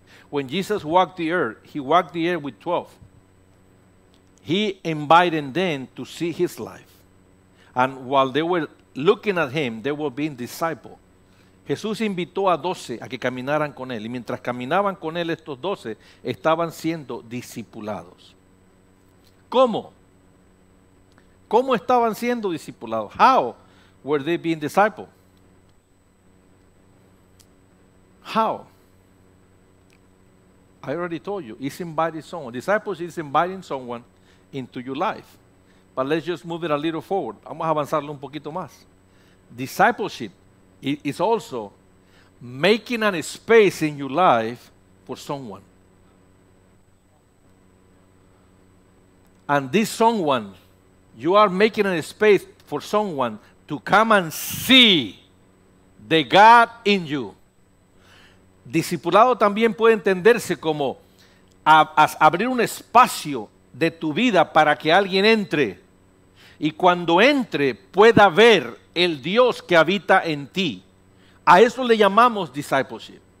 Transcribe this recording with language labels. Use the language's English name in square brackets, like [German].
[English] When Jesus walked the earth, he walked the earth with 12. He invited them to see his life. And while they were looking at him, they were being disciples. [Spanish] Jesús invitó a 12 a que caminaran con él. Y mientras caminaban con él, estos 12 estaban siendo discipulados. ¿Cómo? ¿Cómo estaban siendo discipulados? [English] How were they being discipled? How? I already told you, it's inviting someone. Discipleship is inviting someone into your life. But let's just move it a little forward. [Spanish] Vamos a avanzarlo un poquito más. [English] Discipleship. It is also making a space in your life for someone. And this someone, you are making a space for someone to come and see the God in you. [Spanish] Discipulado también puede entenderse como abrir un espacio de tu vida para que alguien entre. Y cuando entre, pueda ver el Dios que habita en ti. A eso le llamamos discipleship.